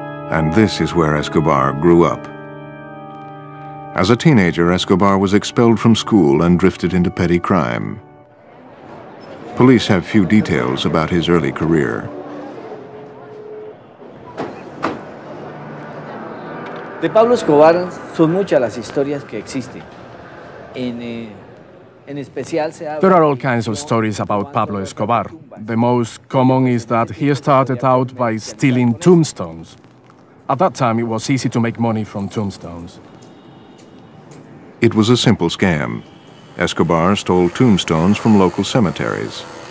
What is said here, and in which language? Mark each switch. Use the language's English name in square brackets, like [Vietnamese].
[English] And this is where Escobar grew up. As a teenager, Escobar was expelled from school and drifted into petty crime. Police have few details about his early career. [Spanish] De Pablo Escobar son muchas las historias que existen. [English] There are all kinds of stories about Pablo Escobar. The most common is that he started out by stealing tombstones. At that time, it was easy to make money from tombstones. It was a simple scam. Escobar stole tombstones from local cemeteries.